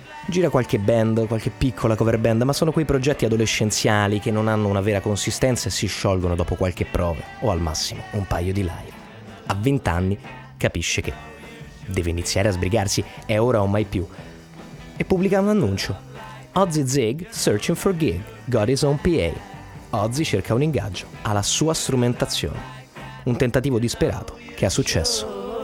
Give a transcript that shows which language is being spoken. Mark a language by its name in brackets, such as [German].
[Italian] Gira qualche band, qualche piccola cover band, ma sono quei progetti adolescenziali che non hanno una vera consistenza e si sciolgono dopo qualche prova, o al massimo un paio di live. A 20 anni capisce che deve iniziare a sbrigarsi, è ora o mai più, e pubblica un annuncio. [English] Ozzy Zig, searching for gig, got his own PA. [Italian] Ozzy cerca un ingaggio, ha la sua strumentazione. Un tentativo disperato che ha successo.